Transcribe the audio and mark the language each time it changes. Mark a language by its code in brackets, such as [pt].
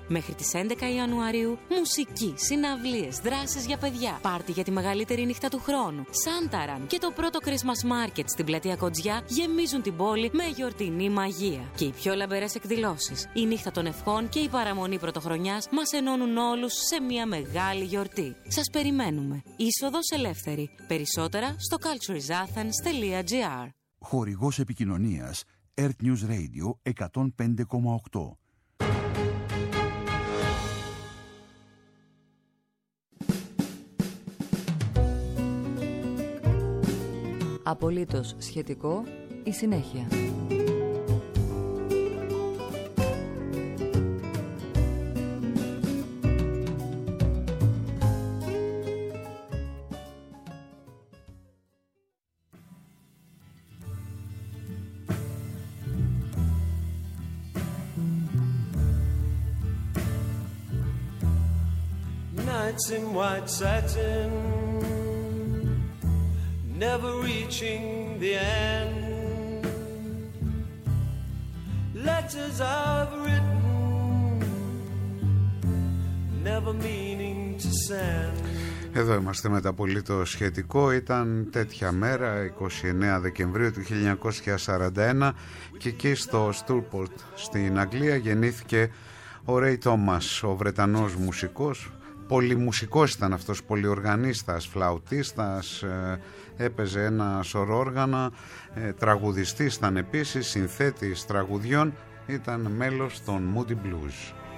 [el] Μέχρι τις 11 Ιανουαρίου, μουσική, συναυλίες, δράσεις για παιδιά, πάρτι για τη μεγαλύτερη νύχτα του χρόνου, Σάνταραν και το πρώτο Christmas Market στην πλατεία Κοντζιά γεμίζουν την πόλη με γιορτινή μαγεία. Και οι πιο λαμπερές εκδηλώσεις, η νύχτα των ευχών και η παραμονή πρωτοχρονιάς μας ενώνουν όλους σε μια μεγάλη γιορτή. Σας περιμένουμε. Είσοδος ελεύθερη. Περισσότερα στο culturesathens.gr. Χορηγός επικοινωνίας Earth News Radio 105,8. Απολύτως σχετικό η συνέχεια. [en] Nights in white satin, never reaching the end. Letters I've written, never meaning to send. [el] Εδώ είμαστε με το απολύτως σχετικό. Ήταν τέτοια μέρα, 29 Δεκεμβρίου του 1941, και εκεί στο Στούρπορτ στην Αγγλία γεννήθηκε ο Ρέι Τόμας, ο Βρετανός μουσικός. Πολύ μουσικός ήταν αυτός, πολυοργανίστας, φλαουτίστας, έπαιζε ένα σωρό όργανα, τραγουδιστής ήταν επίσης, συνθέτης τραγουδιών, ήταν μέλος των Moody Blues.